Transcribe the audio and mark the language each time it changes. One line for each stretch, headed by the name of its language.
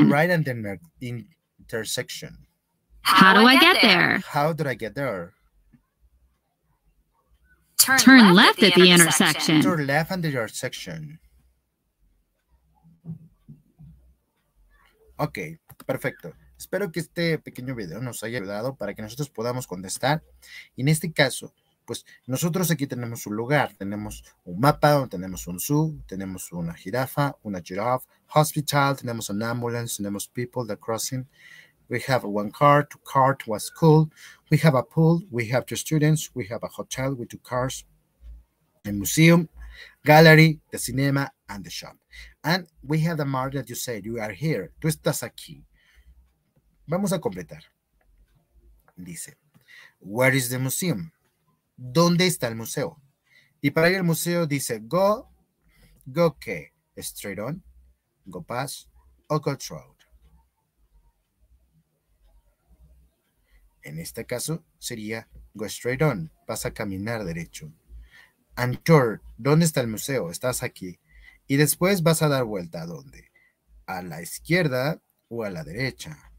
English: Turn right at the intersection. How do I get there? How did I get there? Turn left at the intersection. Turn left at the intersection.
Spanish: Ok, perfecto. Espero que este pequeño video nos haya ayudado para que nosotros podamos contestar. Y en este caso, pues nosotros aquí tenemos un lugar. Tenemos un mapa, tenemos un zoo, tenemos una jirafa, una giraffe, hospital, tenemos
English: an ambulance,
Spanish: tenemos
English: people that crossing. We have one car, two car, two school. We have a pool, we have two students, we have a hotel with two cars, a museum, gallery, the cinema, and the shop. And we have the mark that you said, you are here,
Spanish: tú estás aquí. Vamos a completar. Dice,
English: where is the museum?
Spanish: ¿Dónde está el museo? Y para ir al museo dice, go qué?
English: Straight on, go past, o go through.
Spanish: En este caso sería
English: go straight on,
Spanish: vas a caminar derecho.
English: And turn,
Spanish: ¿dónde está el museo? Estás aquí. Y después vas a dar vuelta, ¿a dónde? ¿A la izquierda o a la derecha?